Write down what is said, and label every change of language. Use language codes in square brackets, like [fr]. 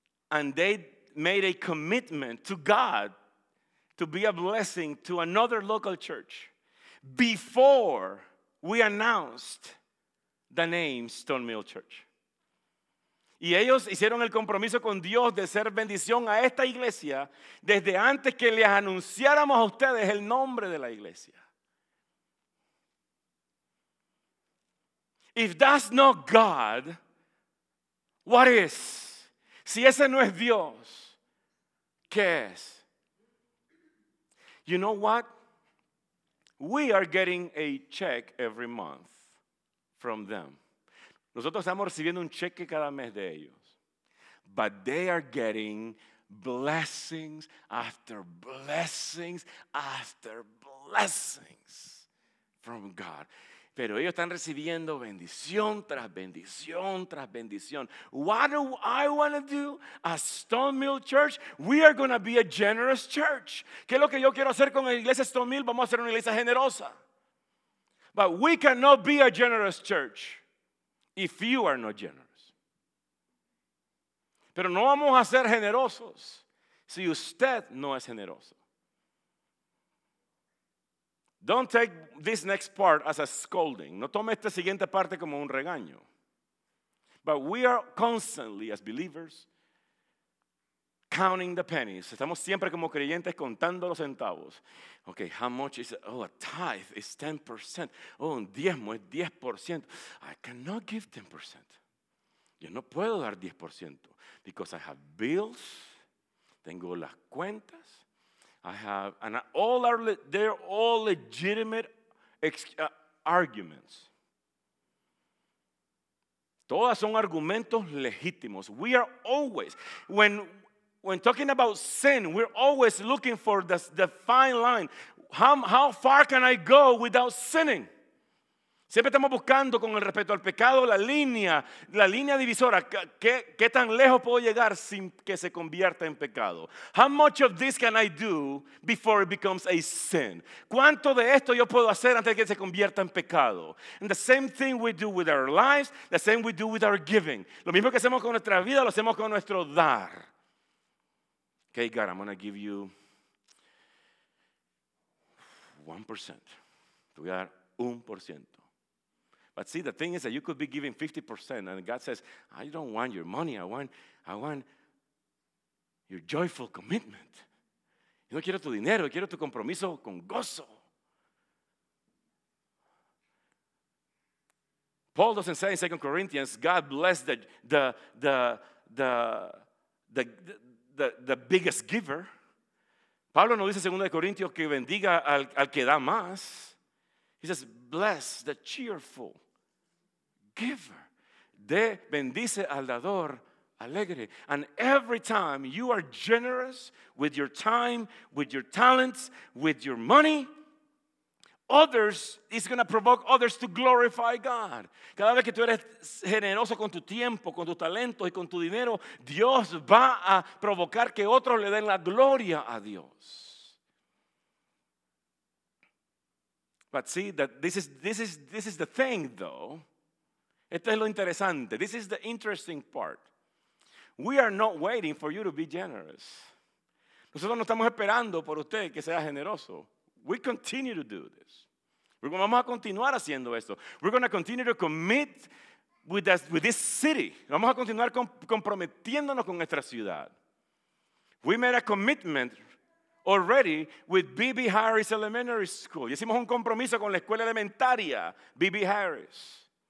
[en] And they made a commitment to God to be a blessing to another local church before we announced the name Stone Mill Church. [es] Y ellos hicieron el compromiso con Dios de ser bendición a esta iglesia desde antes que les anunciáramos a ustedes el nombre de la iglesia. [en] If that's not God, what is? [es] Si ese no es Dios, ¿qué es? [en] You know what? We are getting a check every month from them. [es] Nosotros estamos recibiendo un cheque cada mes de ellos. [en] But they are getting blessings after blessings after blessings from God. [es] Pero ellos están recibiendo bendición tras bendición tras bendición. [en] What do I want to do as Stone Mill Church? We are going to be a generous church. [es] ¿Qué es lo que yo quiero hacer con la iglesia Stone Mill? Vamos a ser una iglesia generosa. [en] But we cannot be a generous church if you are not generous. [es] Pero no vamos a ser generosos si usted no es generoso. [en] Don't take this next part as a scolding. [es] No tome esta siguiente parte como un regaño. [en] But we are constantly, as believers, counting the pennies. [es] Estamos siempre como creyentes contando los centavos. [en] Okay, how much is it? Oh, a tithe is 10%. [es] Oh, un diezmo es 10%. [en] I cannot give 10%. [es] Yo no puedo dar 10% [en] because I have bills. [es] Tengo las cuentas. [en] I have, and all are, they're all legitimate arguments. [es] Todas son argumentos legítimos. [en] We are always, when talking about sin, we're always looking for the fine line. How far can I go without sinning? [es] Siempre estamos buscando con el respeto al pecado la línea divisora. ¿Qué tan lejos puedo llegar sin que se convierta en pecado? [en] How much of this can I do before it becomes a sin? [es] ¿Cuánto de esto yo puedo hacer antes de que se convierta en pecado? [en] And the same thing we do with our lives, the same we do with our giving. [es] Lo mismo que hacemos con nuestra vida, lo hacemos con nuestro dar. [en] Okay, God, I'm going to give you 1%. [es] Te voy a dar 1%. [en] But see, the thing is that you could be giving 50%, and God says, I don't want your money. I want your joyful commitment. [es] Yo no quiero tu dinero, quiero tu compromiso con gozo. [en] Paul doesn't say in 2 Corinthians, God bless the biggest giver. [es] Pablo no dice en 2 Corintios que bendiga al que da más. [en] He says, bless the cheerful giver. [es] De bendice al dador alegre. [en] And every time you are generous with your time, with your talents, with your money, others, it's going to provoke others to glorify God. [es] Cada vez que tú eres generoso con tu tiempo, con tu talento y con tu dinero, Dios va a provocar que otros le den la gloria a Dios. [en] But see that this is the thing, though. [es] Esto es lo interesante. [en] This is the interesting part. We are not waiting for you to be generous. [es] Nosotros no estamos esperando por usted que sea generoso. [en] We continue to do this. [es] Vamos a continuar haciendo esto. [en] We're going to continue to commit with this city. [es] Vamos a continuar comprometiéndonos con nuestra ciudad. [en] We made a commitment already with B.B. [es] Harris Elementary School. Y hicimos un compromiso con la escuela elementaria, B.B. Harris.